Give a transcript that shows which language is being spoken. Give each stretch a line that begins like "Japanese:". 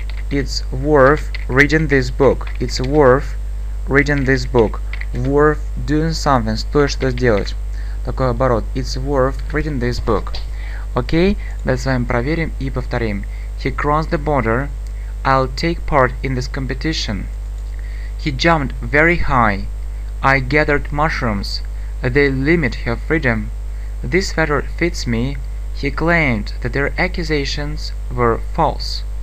English: It's worth reading this book. It's worth reading this book. Worth doing something.
Russian: Стоит что сделать. Такой оборот. It's worth reading this book. Окей, давайте с вами проверим и повторим.
English: He crossed the border. I'll take part in this competition. He jumped very high. I gathered mushrooms. They limit her freedom. This sweater fits me. He claimed that their accusations were false.